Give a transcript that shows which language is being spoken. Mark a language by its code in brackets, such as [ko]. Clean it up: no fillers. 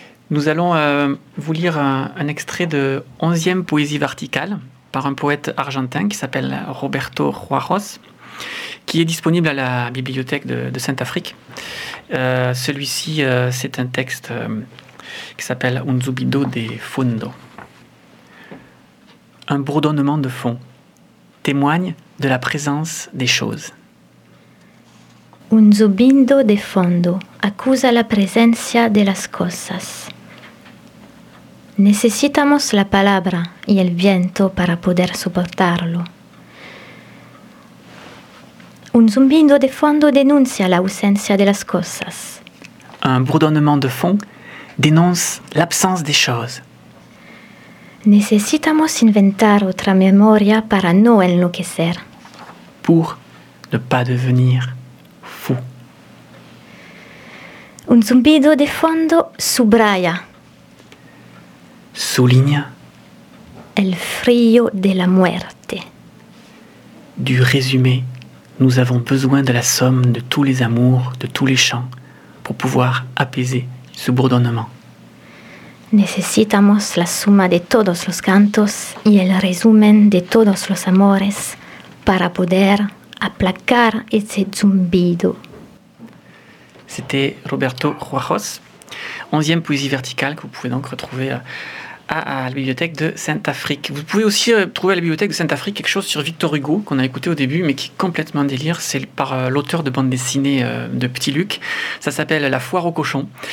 [fr] Nous allons vous lire un extrait de 11e poésie verticale par un poète argentin qui s'appelle Roberto Juarros, qui est disponible à la bibliothèque de Sainte-Afrique. Celui-ci, c'est un texte qui s'appelle Un zumbido de fondo. Un bourdonnement de fond témoigne de la présence des choses. [es] Un zumbido de fondo accusa la presencia de las cosas. Necesitamos la palabra y el viento para poder soportarlo. Un zumbido de fondo denuncia la ausencia de las cosas. [fr] Un bourdonnement de fond dénonce l'absence des choses. [es] Necesitamos inventar otra memoria para no enloquecer. [fr] Pour ne pas devenir fou. [es] Un zumbido de fondo subraya. [fr] Souligne. [es] El frío de la muerte. [fr] Du résumé, nous avons besoin de la somme de tous les amours, de tous les chants, pour pouvoir apaiser ce bourdonnement. [es] Necesitamos la suma de todos los cantos y el resumen de todos los amores para poder aplacar ese zumbido. [fr] C'était Roberto Juarros, 11e poésie verticale que vous pouvez donc retrouver à la bibliothèque de Sainte-Afrique. Vous pouvez aussi trouver à la bibliothèque de Sainte-Afrique quelque chose sur Victor Hugo, qu'on a écouté au début, mais qui est complètement délire. C'est par l'auteur de bande dessinée de Petit Luc. Ça s'appelle La foire aux cochons.